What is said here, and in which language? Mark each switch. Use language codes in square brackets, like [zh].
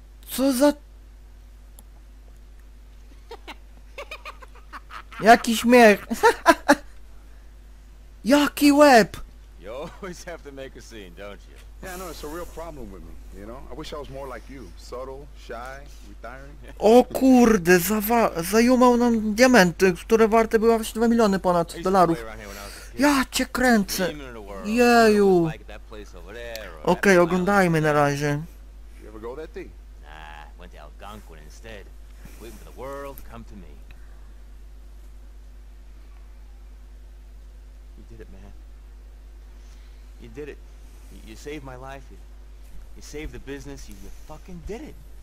[pl] Co za... Jaki śmiech! [en] Yucky web! You always have to make a scene, don't you? Yeah, I know, it's a real problem with me, you know? I wish I was more like you. Subtle, shy, retiring. [pl] O kurde, zajumał nam diamenty, które warte były właśnie 2 miliony ponad dolarów. Ja cię kręcę! Jeju! Okej, oglądajmy na razie. [en] You ever go that thing? Nah, went to Algonquin instead. Waiting for the world to come to me. You did it. You saved my life. You saved the business. You fucking did it.